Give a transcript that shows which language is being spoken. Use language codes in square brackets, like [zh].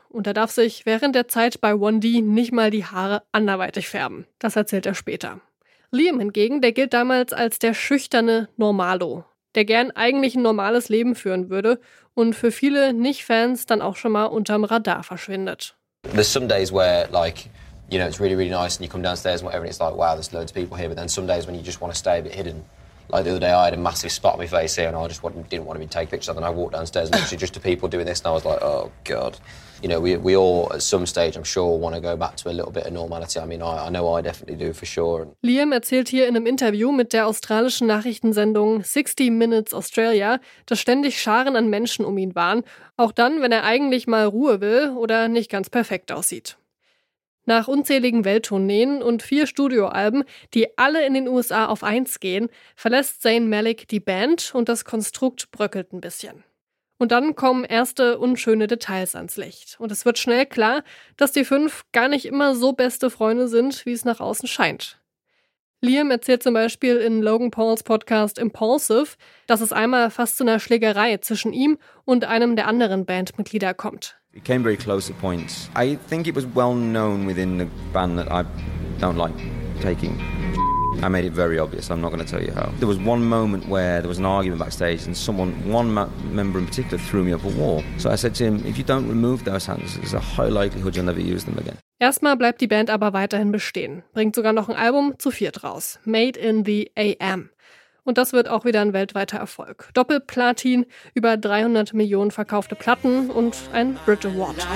[de] Und er darf sich während der Zeit bei 1D nicht mal die Haare anderweitig färben. Das erzählt er später. Liam hingegen, der gilt damals als der schüchterne Normalo, der gern eigentlich ein normales Leben führen würde und für viele Nicht-Fans dann auch schon mal unterm Radar verschwindet. [en] There's some days where, like, you know, it's really, really nice and you come downstairs and whatever and it's like, wow, there's loads of people here. But then some days when you just want to stay a bit hidden. Like the other day, I had a massive spot on my face here, and I just didn't want to even take pictures. And I walked downstairs, and actually, just to people doing this, and I was like, "Oh God!" You know, we all at some stage, I'm sure, want to go back to a little bit of normality. I mean, I know I definitely do for sure. [de] Liam erzählt hier in einem Interview mit der australischen Nachrichtensendung 60 Minutes Australia, dass ständig Scharen an Menschen um ihn waren, auch dann, wenn er eigentlich mal Ruhe will oder nicht ganz perfekt aussieht. Nach unzähligen Welttourneen und 4 Studioalben, die alle in den USA auf 1 gehen, verlässt Zayn Malik die Band und das Konstrukt bröckelt ein bisschen. Und dann kommen erste unschöne Details ans Licht. Und es wird schnell klar, dass die 5 gar nicht immer so beste Freunde sind, wie es nach außen scheint. Liam erzählt zum Beispiel in Logan Pauls Podcast Impulsive, dass es einmal fast zu einer Schlägerei zwischen ihm und einem der anderen Bandmitglieder kommt. [en] It came very close at points. I think it was well known within the band that I don't like taking I made it very obvious. I'm not going to tell you how. There was one moment where there was an argument backstage and someone, one member in particular, threw me up a wall. So I said to him, if you don't remove those hands, there's a high likelihood you'll never use them again. [de] Erstmal bleibt die Band aber weiterhin bestehen, bringt sogar noch ein Album zu 4 raus, Made in the AM. Und das wird auch wieder ein weltweiter Erfolg. Doppelplatin, über 300 Millionen verkaufte Platten und ein Brit Award.